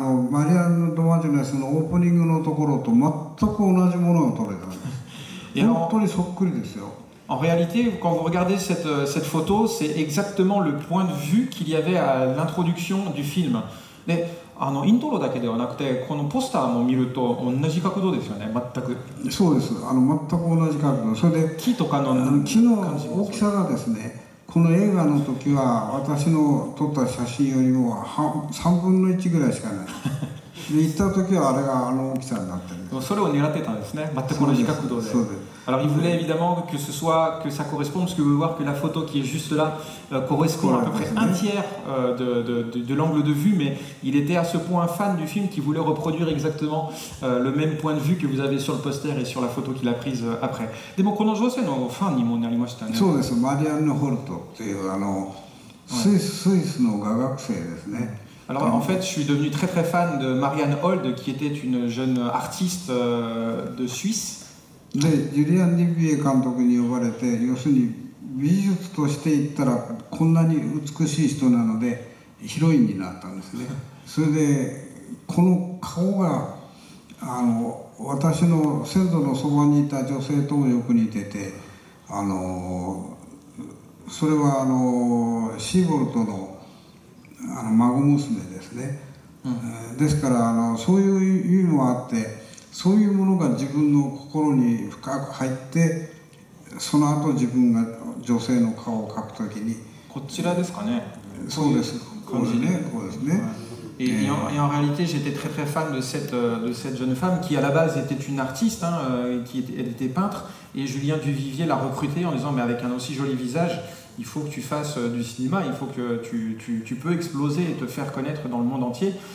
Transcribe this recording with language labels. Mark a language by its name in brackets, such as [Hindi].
[Japanese] マリアンヌ・ド・マジュネスのオープニングのところと全く同じものを撮れたんです。本当にそっくりですよ。 [French] En réalité, quand vous regardez cette photo, c'est exactement le point de vue qu'il y avait à l'introduction du film. [Japanese] で、イントロだけではなくて、このポスターも見ると同じ角度ですよね、全く。そうです。全く同じ角度。それで、木とかの木の大きさがですね、この映画の時は私の撮った写真よりも3分の1ぐらいしかない。で、行った時はあれがあの大きさになってる。それを狙ってたんですね。全く同じ角度で。そうです。 [French] Alors, il voulait évidemment que ce soit, que ça corresponde, parce que vous pouvez voir que la photo qui est juste là correspond à peu près un tiers de l'angle de vue, mais il était à ce point fan du film qu'il voulait reproduire exactement le même point de vue que vous avez sur le poster et sur la photo qu'il a prise après. [Japanese] でもこの女性のファンにもなりましたね。そうです。マリアンヌ・ホルトっていうスイスの画学生ですね。 [French] Alors en fait, je suis devenu très très fan de Marianne Hold, qui était une jeune artiste de Suisse. [Japanese] で、ジュリアン・ディビエ監督に呼ばれて、要するに美術として言ったらこんなに美しい人なのでヒロインになったんですね。それでこの顔が私の先祖のそばにいた女性ともよく似てて、それはシーボルト の孫娘ですね、ですからそういう意味もあって、そういうものが自分の心に深く入って、その後自分が女性の顔を描くときに、こちらですかね。そうです。感じね。そうですね。 [French] Et en réalité, j'étais très très fan de cette jeune femme qui à la base était une artiste, hein, elle était peintre, et Julien Duvivier l'a recrutée en disant mais avec un aussi joli visage, il faut que tu fasses du cinéma, il faut que tu peux exploser et te faire connaître dans le monde entier.